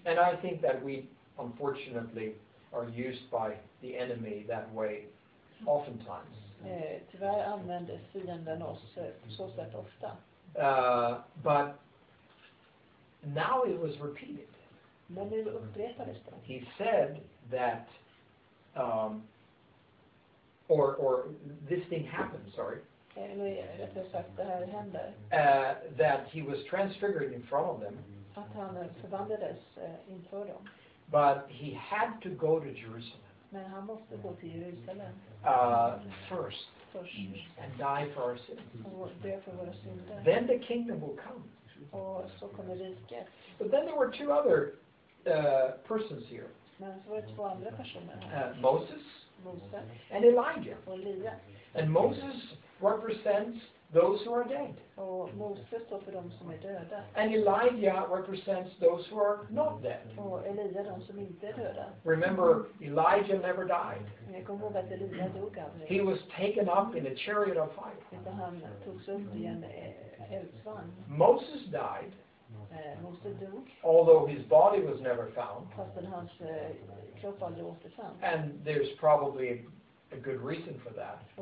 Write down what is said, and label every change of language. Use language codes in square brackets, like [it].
[en] And I think that we, unfortunately, are used by the enemy that way oftentimes. [sv] Tyvärr använder fienden oss så sätt ofta. [en] But now it was repeated. [sv] Men nu upprepades det. [en] He said that, or this thing happened, sorry. [sv] Eller rättare sagt, det här hände. [en] That he was transfigured in front of them. [sv] Att han förvandlades inför dem. [en] But he had to go to Jerusalem. [sv] Men han måste gå till Jerusalem. [en] First. And die for our sins. [sv] Och dö för våra synder. [en] Then the kingdom will come. [sv] Och så kommer riket. [en] But then there were two other persons here. [sv] Men så var det två andra personer. [en] Moses. And Elijah. [sv] Och Elia. [en] And Moses represents those who are dead. [sv] Och Moses står för dem som är döda. [en] And Elijah represents those who are not dead. [sv] Och Elia de som inte är döda. [en] Remember, Elijah never died. [sv] Jag kommer ihåg att Elia dog aldrig. [en] He was taken up in a chariot of fire. [sv] Utan han togs upp i en eldsvagn. [en] Moses died. [sv] Moses dog. [en] Although his body was never found. [sv] Fastän hans kropp aldrig återfanns. [en] And there's probably a good reason for that.